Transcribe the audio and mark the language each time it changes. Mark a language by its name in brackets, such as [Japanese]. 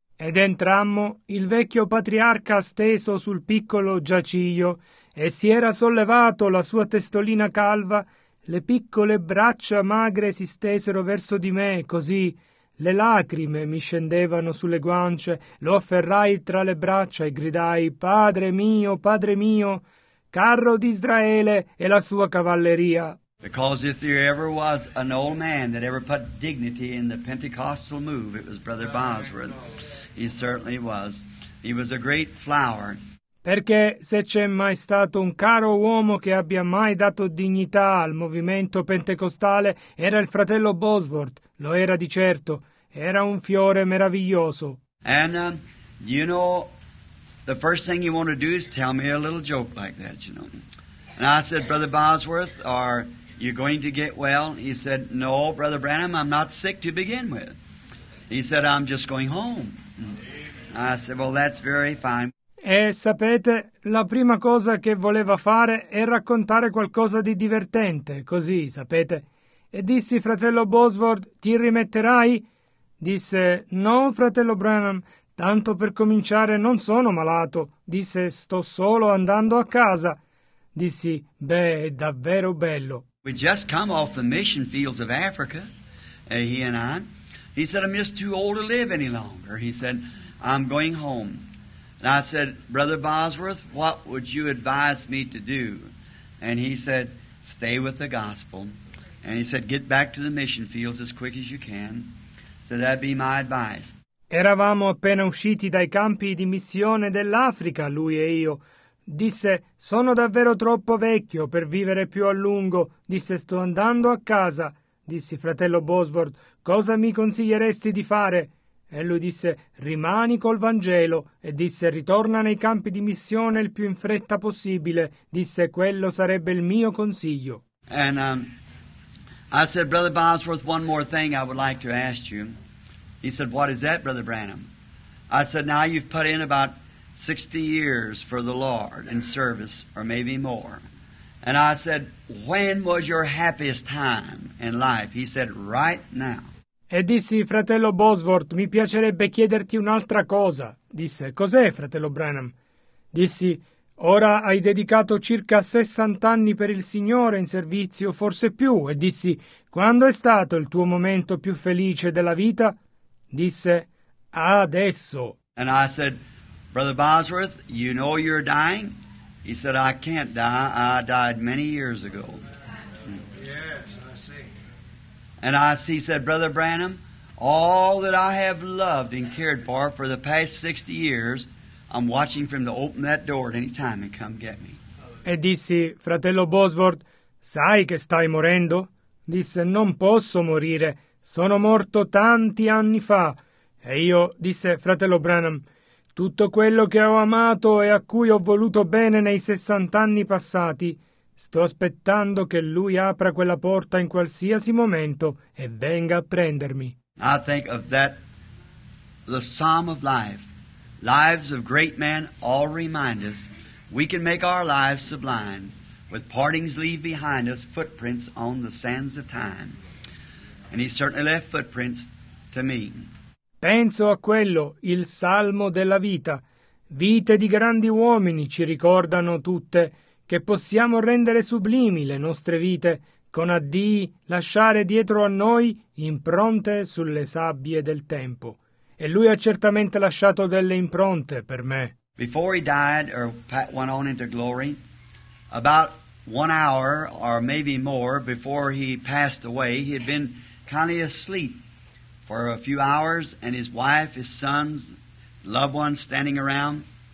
[Italian] Ed entrammo, il vecchio patriarca steso sul piccolo giaciglio, e si era sollevato la sua testolina calva, le piccole braccia magre si stesero verso di me, così le lacrime mi scendevano sulle guance, lo afferrai tra le braccia e gridai, padre mio, carro di Israele e la sua cavalleria. [English] Because if there ever was an old man that ever put dignity in the Pentecostal move, it was Brother Bosworth. He certainly was. He was a great flower. [Italian] Perché se c'è mai stato un caro uomo che abbia mai dato dignità al movimento pentecostale, era il fratello Bosworth. Lo era di certo. Era un fiore meraviglioso. [English] And, you know, the first thing you want to do is tell me a little joke like that, you know. And I said, Brother Bosworth, are you going to get well? He said, no, Brother Branham, I'm not sick to begin with. He said, I'm just going home. I said, well, that's very fine. [Italian] E sapete, la prima cosa che voleva fare è raccontare qualcosa di divertente, così, sapete. E dissi, fratello Bosworth, ti rimetterai? Disse, no, fratello Branham. Tanto per cominciare, non sono malato. Disse, sto solo andando a casa. Dissi, beh, è davvero bello. [English] We just come off the mission fields of Africa, he and I. He said, I'm just too old to live any longer. He said, I'm going home. And I said, Brother Bosworth, what would you advise me to do? And he said, stay with the gospel. And he said, get back to the mission fields as quick as you can. So that'd be my advice. [Italian] Eravamo appena usciti dai campi di missione dell'Africa, lui e io. Disse, sono davvero troppo vecchio per vivere più a lungo. Disse, sto andando a casa. Dissi, fratello Bosworth, cosa mi consiglieresti di fare? E lui disse, rimani col Vangelo. E disse, ritorna nei campi di missione il più in fretta possibile. Disse, quello sarebbe il mio consiglio. [English] And I said, Brother Bosworth, one more thing I would like to ask you. He said, what is that, Brother Branham? I said, now you've put in about 60 years for the Lord in service, or maybe more. And I said, when was your happiest time in life? He said, right now. [Italian] E dissi, fratello Bosworth, mi piacerebbe chiederti un'altra cosa. Disse, cos'è, fratello Branham? Dissi, ora hai dedicato circa 60 anni per il Signore in servizio, forse più. E dissi, quando è stato il tuo momento più felice della vita? Disse, adesso. [English] And I said, Brother Bosworth, you know you're dying? He said, I can't die. I died many years ago. Yes, I see. And he said, Brother Branham, all that I have loved and cared for the past 60 years, I'm watching for him to open that door at any time and come get me. [Italian] E dissi, fratello Bosworth, sai che stai morendo? Disse, non posso morire. Sono morto tanti anni fa. E io disse, fratello Branham, Tutto quello che ho amato e a cui ho voluto bene nei 60 anni passati, sto aspettando che lui apra quella porta in qualsiasi momento e venga a prendermi. [English] I think of that, the psalm of life. Lives of great men all remind us we can make our lives sublime with partings leave behind us footprints on the sands of time. And he certainly left footprints to me. [Italian] Penso a quello, il salmo della vita. Vite di grandi uomini ci ricordano tutte che possiamo rendere sublimi le nostre vite con addii lasciare dietro a noi impronte sulle sabbie del tempo. E lui ha certamente lasciato delle impronte per me. [English] Before he died or went on into glory, about 1 hour or maybe more before he passed away, he had been kindly asleep for a few hours, and his wife, his sons, loved ones standing around.